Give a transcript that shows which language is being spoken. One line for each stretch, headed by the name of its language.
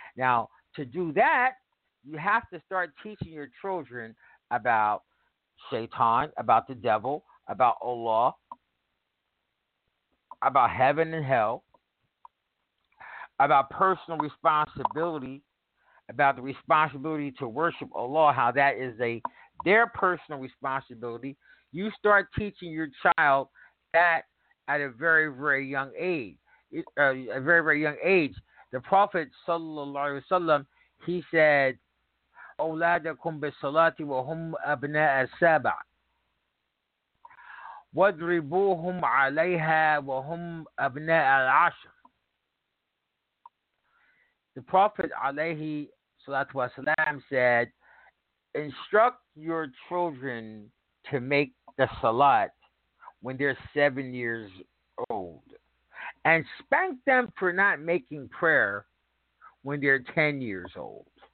English: Now, to do that, you have to start teaching your children about Shaitan, about the devil, about Allah, about heaven and hell, about personal responsibility, about the responsibility to worship Allah, how that is their personal responsibility. You start teaching your child that at a very, very young age. A very, very young age. The Prophet
Arabic: sallallahu alaihi wasallam,
English: he said,
Arabic: أولادكم بالصلاة وهم أبناء السبع واضربوهم عليها وهم أبناء العشر.
English: The Prophet عليه الصلاة والسلام said, instruct your children to make the salat when they're 7 years old, and spank them for not making prayer when they're 10 years old.